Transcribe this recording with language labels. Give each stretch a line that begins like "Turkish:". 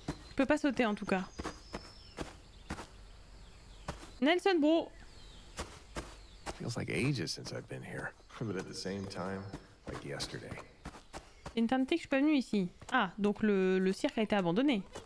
French: Je peux pas sauter en tout cas. Nelson, bro.
English: Feels like ages since I've been here, but at the same time, like yesterday.
French: Une tante que je suis pas venu ici. Ah, donc le cirque a été abandonné.